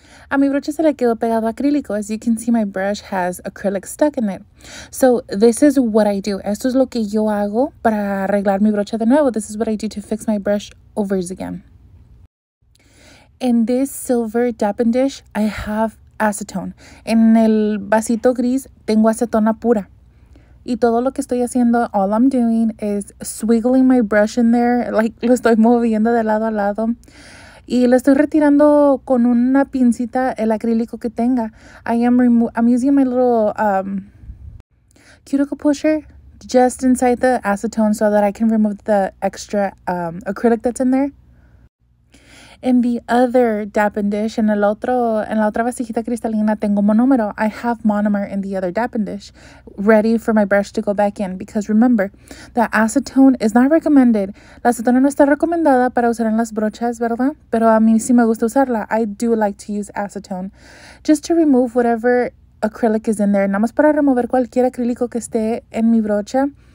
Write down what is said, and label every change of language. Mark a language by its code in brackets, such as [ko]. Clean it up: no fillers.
[es] A mi brocha se le quedó pegado acrílico. [en] As you can see, my brush has acrylic stuck in it. So this is what I do. [es] Esto es lo que yo hago para arreglar mi brocha de nuevo. [en] This is what I do to fix my brush overs again. In this silver dapping dish, I have acetone. [es] En el vasito gris, tengo acetona pura. Y todo lo que estoy haciendo, [en] all I'm doing is swiggling my brush in there, like [es] lo estoy moviendo de lado a lado. Y le estoy retirando con una pinzita el acrílico que tenga. [en] I'm using my little cuticle pusher just inside the acetone so that I can remove the extra acrylic that's in there. In the other dapping dish, [es] en la otra vasijita cristalina, tengo monómero. [en] I have monomer in the other dapping dish, ready for my brush to go back in. Because remember, the acetone is not recommended. [es] La acetona no está recomendada para usar en las brochas, ¿verdad? Pero a mí sí me gusta usarla. [en] I do like to use acetone. Just to remove whatever acrylic is in there. [es] Nada más para remover cualquier acrílico que esté en mi brocha.